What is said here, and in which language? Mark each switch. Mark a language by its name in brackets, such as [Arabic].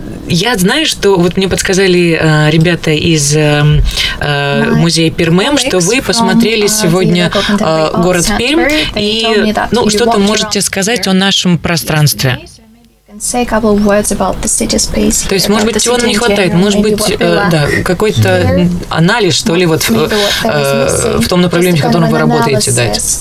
[Russian] Я знаю, что вот мне подсказали ребята из музея Пермем, что вы посмотрели сегодня город Пермь, и ну, что-то можете сказать о нашем пространстве. [English] Say a couple of words about the city space. [Russian] То есть, может быть, чего-то не хватает, может быть, да, какой-то анализ, что ли, вот в том направлении, в котором вы работаете, дать.